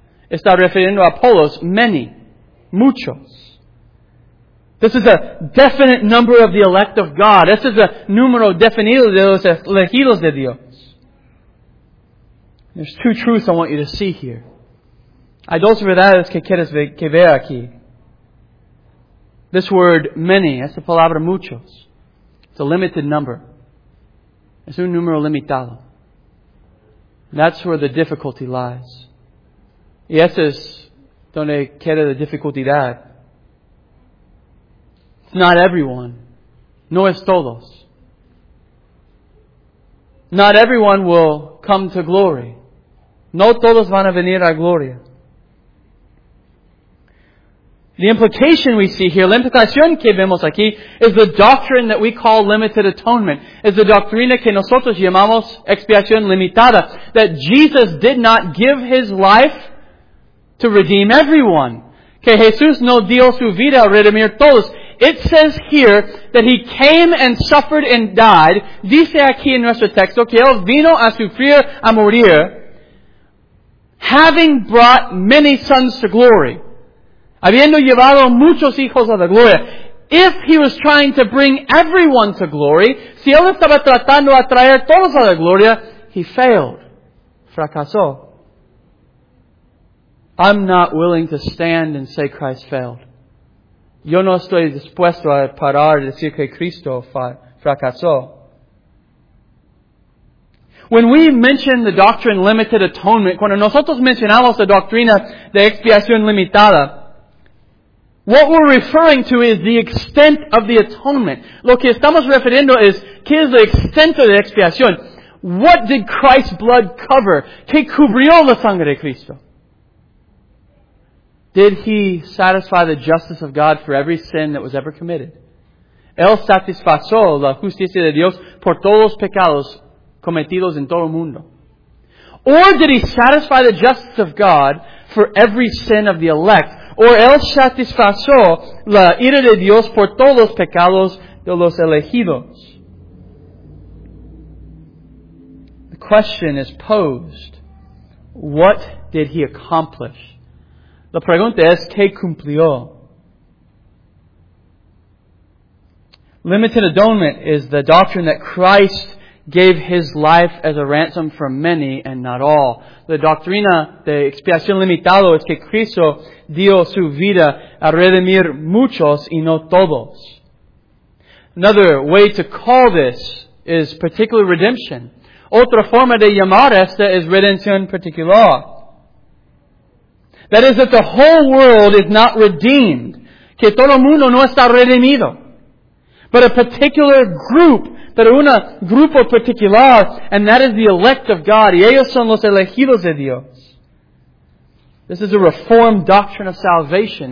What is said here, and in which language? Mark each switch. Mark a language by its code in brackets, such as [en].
[es] Está refiriendo a polos, many, muchos. [en] This is a definite number of the elect of God. This is a [es] número definido de los elegidos de Dios. [en] There's two truths I want you to see here. [es] Hay dos verdades que quieres que vea aquí. [en] This word, many, [es] es la palabra muchos. [en] It's a limited number. [es] Es un número limitado. [en] That's where the difficulty lies. [es] Y eso es donde queda la dificultad. [en] It's not everyone. [es] No es todos. [en] Not everyone will come to glory. [es] No todos van a venir a gloria. [en] The implication we see here, [es] la implicación que vemos aquí, [en] is the doctrine that we call limited atonement. [es] Is the doctrina que nosotros llamamos expiación limitada. [en] That Jesus did not give His life to redeem everyone. [es] Que Jesús no dio su vida a redimir todos. [en] It says here that He came and suffered and died. [es] Dice aquí en nuestro texto que Él vino a sufrir, a morir, [en] having brought many sons to glory. [es] Habiendo llevado muchos hijos a la gloria. [en] If He was trying to bring everyone to glory, [es] si Él estaba tratando a traer todos a la gloria, [en] He failed. [es] Fracasó. [en] I'm not willing to stand and say Christ failed. [es] Yo no estoy dispuesto a parar y decir que Cristo fracasó. [en] When we mention the doctrine limited atonement, [es] cuando nosotros mencionamos la doctrina de expiación limitada, [en] what we're referring to is the extent of the atonement. [es] Lo que estamos refiriendo es, ¿qué es la extent de la expiación? [en] What did Christ's blood cover? [es] ¿Qué cubrió la sangre de Cristo? [en] Did He satisfy the justice of God for every sin that was ever committed? [es] Él satisfizó la justicia de Dios por todos los pecados cometidos en todo el mundo. [en] Or did He satisfy the justice of God for every sin of the elect? [es] Or Él satisfizó la ira de Dios por todos los pecados de los elegidos? [en] The question is posed, what did He accomplish? [es] La pregunta es, ¿qué cumplió? [en] Limited atonement is the doctrine that Christ gave His life as a ransom for many and not all. [es] La doctrina de expiación limitado es que Cristo dio su vida a redimir muchos y no todos. [en] Another way to call this is particular redemption. [es] Otra forma de llamar esta es redención particular. [en] That is that the whole world is not redeemed. [es] Que todo el mundo no está redimido. [en] But a particular group, [es] pero un grupo particular, and that is the elect of God. Y ellos son los elegidos de Dios. [en] This is a reformed doctrine of salvation.